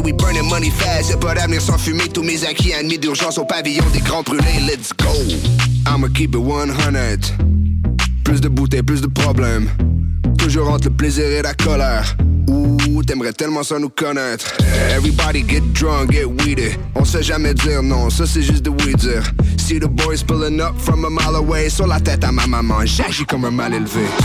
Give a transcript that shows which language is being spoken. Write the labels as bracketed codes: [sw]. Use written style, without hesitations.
[en] We burn the money fast, [fr] y'a pas d'avenir sans fumer. Tous mes acquis ennemis d'urgence au pavillon des grands brûlés. [en] Let's go. I'ma keep it 100. [fr] Plus de bouteilles, plus de problèmes. Toujours entre le plaisir et la colère. Ouh, t'aimerais tellement sans nous connaître. [en] Everybody get drunk, get weeded. [fr] On sait jamais dire non, ça c'est juste de weed dire. [en] See the boys pulling up from a mile away. [fr] Sur la tête à ma maman, j'agis comme un mal élevé.